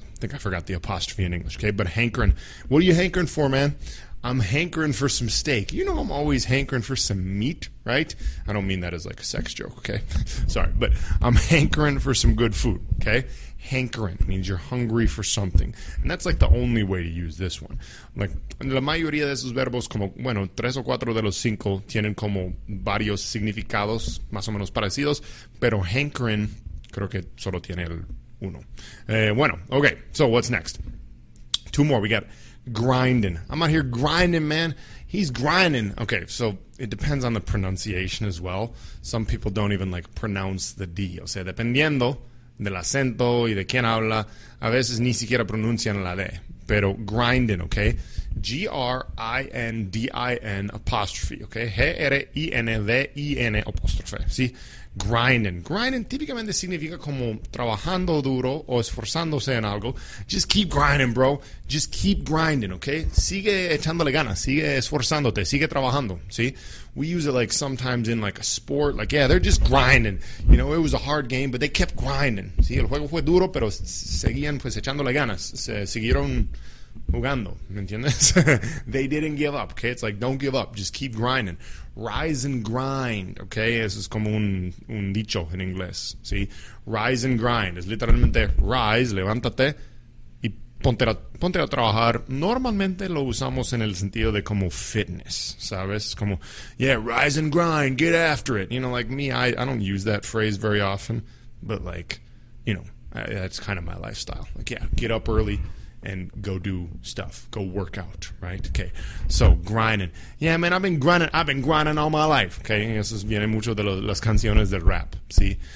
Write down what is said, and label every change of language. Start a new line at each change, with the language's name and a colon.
English: I think I forgot the apostrophe in English, okay? But hankering. What are you hankering for, man? I'm hankering for some steak. You know I'm always hankering for some meat, right? I don't mean that as like a sex joke, okay? Sorry, but I'm hankering for some good food, okay? Hankering means you're hungry for something. And that's like the only way to use this one.
Spanish: Like, la mayoría de esos verbos como, bueno, tres o cuatro de los cinco tienen como varios significados más o menos parecidos, pero hankering creo que solo tiene el uno. Bueno,
English: okay, so what's next? Two more. We got grinding. I'm out here grinding, man. He's grinding. Okay, so it depends on the pronunciation as well. Some people don't even like pronounce the D.
Spanish: O sea, dependiendo del acento y de quien habla, a veces ni siquiera pronuncian la D. Pero grinding, okay? G-R-I-N-D-I-N apostrophe, okay?
English: G-R-I-N-D-I-N apostrophe, see? Grinding.
Spanish: Grinding típicamente significa como trabajando duro o esforzándose en algo.
English: Just keep grinding, bro. Just keep grinding, okay?
Spanish: Sigue echándole ganas. Sigue esforzándote. Sigue trabajando,
English: see? We use it like sometimes in like a sport. Like, yeah, they're just grinding. You know, it was a hard game, but they kept grinding.
Spanish: See, el juego fue duro, pero seguían pues echándole ganas. Siguieron jugando, ¿me entiendes?
English: They didn't give up, okay? It's like, don't give up. Just keep grinding. Rise and grind, okay?
Spanish: Eso es como un dicho en inglés, ¿sí? Rise and grind. Es literalmente rise, levántate y ponte a trabajar. Normalmente lo usamos en el sentido de como fitness, ¿sabes?
English: Como, yeah, rise and grind, get after it. You know, like me, I don't use that phrase very often. But like, you know, that's kind of my lifestyle. Like, yeah, get up early and go do stuff, go work out, right? Okay, so grinding. Yeah, man, I've been grinding all my life, okay?
Spanish: Eso viene mucho de las canciones del rap, see?